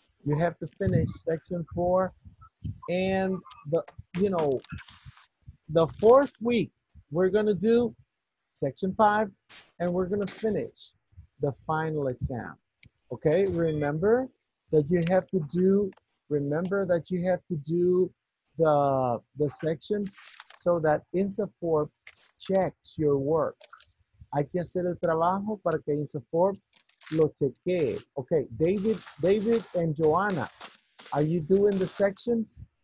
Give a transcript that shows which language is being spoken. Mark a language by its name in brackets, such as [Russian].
[English] You have to finish section 4 and the fourth week we're going to do Section 5, and we're going to finish the final exam. Okay, remember that you have to do the sections so that INSAFORP checks your work. [Spanish] Hay que hacer el trabajo para que INSAFORP lo cheque. [English] Okay, David and Joanna, are you doing the sections?